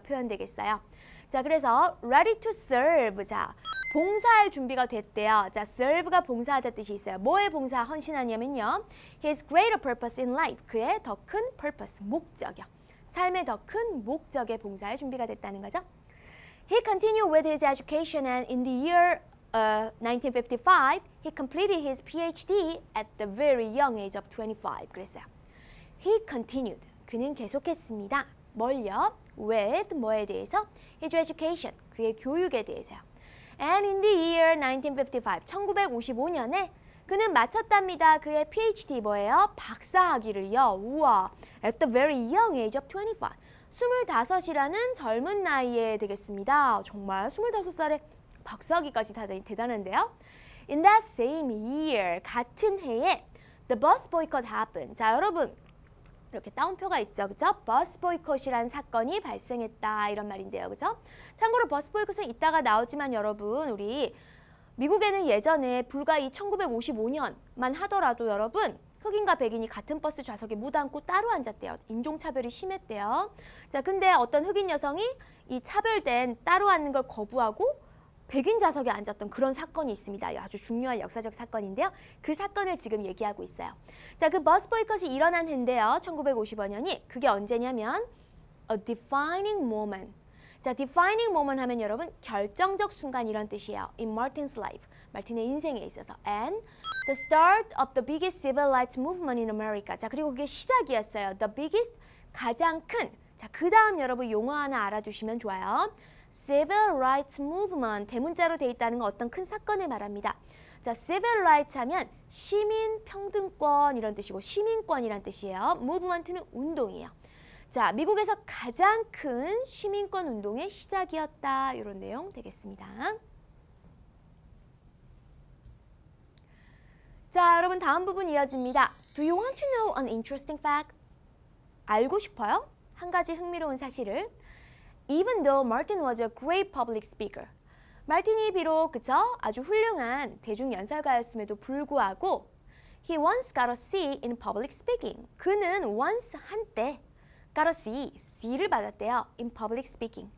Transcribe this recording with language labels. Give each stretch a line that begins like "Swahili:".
Korean: 표현되겠어요. 자, 그래서
English: ready to serve.
Korean: 자, 봉사할 준비가 됐대요. 자, serve가 봉사하다 뜻이 있어요. 뭐에 봉사, 헌신하냐면요.
English: His greater purpose in life.
Korean: 그의 더 큰
English: purpose, 목적이요.
Korean: 삶의 더 큰 목적에 봉사할 준비가 됐다는 거죠.
English: He continued with his education and in the year 1955, he completed his PhD at the very young age of 25.
Korean: 그랬어요.
English: He continued.
Korean: 그는 계속했습니다. 뭘요? With 뭐에 대해서?
English: His education,
Korean: 그의 교육에 대해서요.
English: And in the year 1955,
Korean: 1955년에 그는 마쳤답니다. 그의 PhD 뭐예요? 박사학위를요. 우와,
English: at the very young age of 25.
Korean: 25이라는 젊은 나이에 되겠습니다. 정말 25살에 박수하기까지 다 대단한데요.
English: In that same year,
Korean: 같은 해에
English: the bus boycott happened.
Korean: 자, 여러분, 이렇게 따옴표가 있죠, 그죠? Bus boycott이라는 사건이 발생했다, 이런 말인데요, 그죠? 참고로 bus boycott은 이따가 나오지만 여러분, 우리 미국에는 예전에 불과 이 1955년만 하더라도 여러분, 흑인과 백인이 같은 버스 좌석에 못 앉고 따로 앉았대요. 인종차별이 심했대요. 자, 근데 어떤 흑인 여성이 이 차별된 따로 앉는 걸 거부하고 백인 좌석에 앉았던 그런 사건이 있습니다. 아주 중요한 역사적 사건인데요. 그 사건을 지금 얘기하고 있어요. 자, 그 버스 보이콧이 일어난 해인데요. 1955년이 그게 언제냐면
English: A defining moment.
Korean: 자, defining moment 하면 여러분 결정적 순간 이런 뜻이에요.
English: In Martin's life.
Korean: 마틴의 인생에 있어서.
English: And the start of the biggest civil rights movement in America.
Korean: 자, 그리고 그게 시작이었어요.
English: The biggest,
Korean: 가장 큰. 자, 그 다음 여러분 용어 하나 알아주시면 좋아요.
English: Civil rights movement.
Korean: 대문자로 돼 있다는 건 어떤 큰 사건을 말합니다. 자, civil rights 하면 시민 평등권 이런 뜻이고 시민권이란 뜻이에요. Movement는 운동이에요. 자, 미국에서 가장 큰 시민권 운동의 시작이었다. 이런 내용 되겠습니다. 자, 여러분 다음 부분 이어집니다.
English: Do you want to know an interesting fact?
Korean: 알고 싶어요? 한 가지 흥미로운 사실을.
English: Even though Martin was a great public speaker.
Korean: 마틴이 비록 그쵸? 아주 훌륭한 대중연설가였음에도 불구하고
English: He once got a C in public speaking. 그는 once 한때 got a C,
Korean: C를 받았대요.
English: In public speaking.